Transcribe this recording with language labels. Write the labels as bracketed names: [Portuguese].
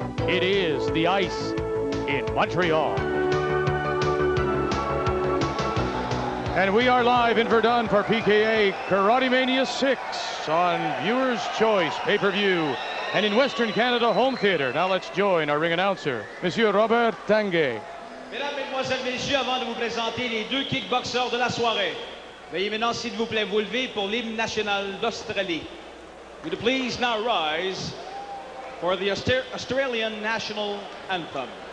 [English] It is the ice in Montreal. And we are live in Verdun for PKA Karate Mania 6 on Viewer's Choice Pay-Per-View and in Western Canada Home Theater. Now let's join our ring announcer, Monsieur Robert Tanguay. [French] Mesdames, Mesdemoiselles, Messieurs, avant de vous présenter les deux kickboxers de la soirée, veuillez maintenant, s'il vous plaît, vous lever pour l'hymne national d'Australie. [English] Would you please now rise for the Australian National Anthem.